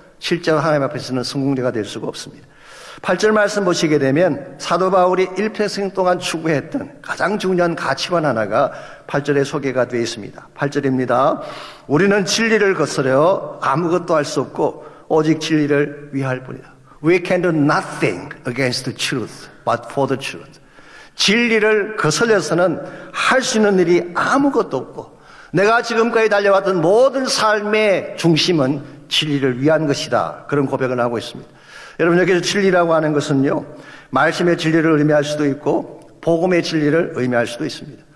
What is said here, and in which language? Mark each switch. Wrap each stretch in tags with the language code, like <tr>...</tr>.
<ko>실제로 하나님 앞에서는 성공자가 될 수가 없습니다. 8절 말씀 보시게 되면 사도 바울이 일평생 동안 추구했던 가장 중요한 가치관 하나가 8절에 소개가 되어 있습니다. 8절입니다. 우리는 진리를 거스려 아무것도 할 수 없고 오직 진리를 위할 뿐이다.</ko> <en>We can do nothing against the truth, but for the truth.</en> <ko>진리를 거슬려서는 할 수 있는 일이 아무것도 없고 내가 지금까지 달려왔던 모든 삶의 중심은 진리를 위한 것이다. 그런 고백을 하고 있습니다. 여러분, 여기서 진리라고 하는 것은요, 말씀의 진리를 의미할 수도 있고 복음의 진리를 의미할 수도 있습니다.</ko>